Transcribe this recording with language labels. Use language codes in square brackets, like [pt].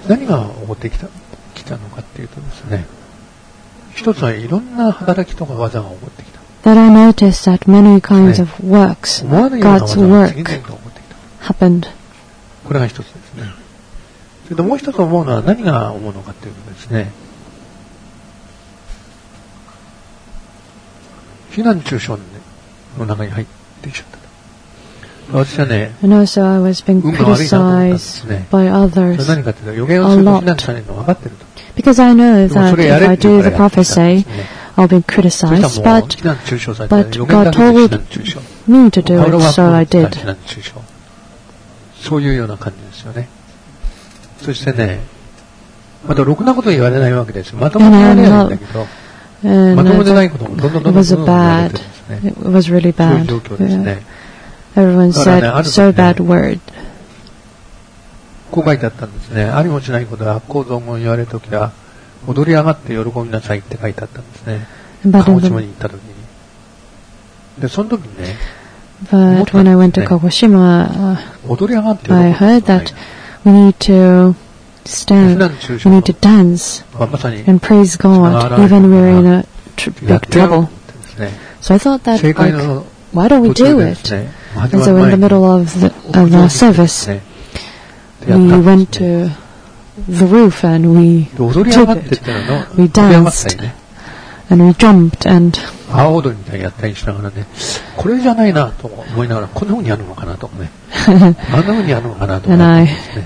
[ja] 何が起こってきたのかっていうとですね、一つはいろんな働きとか技が起こってきた。 [en] That I noticed that many kinds of works, God's work. Happened. [ja] これが一つですね。それともう一つ思うのは何が思うのかというとですね、非難中傷の中に入ってきちゃった。私はね、運が悪いなと思ったんですね。それ何かっていうと、予言をすると非難されるのが分かってると。 [en] Because I know that if I do the prophecy, I'll be criticized. But, God told me to do it, so I did. [ja] そういうような感じですよね。そしてね、またろくなことを言われないわけですよ。まともに言われないんだけど、まともでないこともどんどん言われてですね。 [en] It was really bad. [ja] そういう状況ですね。 [en] Yeah. Everyone said so bad word. [ja] こう書いてあったんですね。ありもしないことは悪口雑言言われるときは、踊り上がって喜びなさいって書いてあったんですね。鹿児島に行ったときに。で、そのときにね、 [en] But when I went to Kagoshima, I heard that we need to stand, we need to dance and praise God even when we're in a big trouble. So I thought that, like, why don't we do it? And so in the middle of the service, we went to the roof and we took it. We danced and we jumped and... [ja] アオドみたいにやったりしながらね、これじゃないなと思いながら、こんな風にやるのかなとかね、あんな風にやるのかなとかね。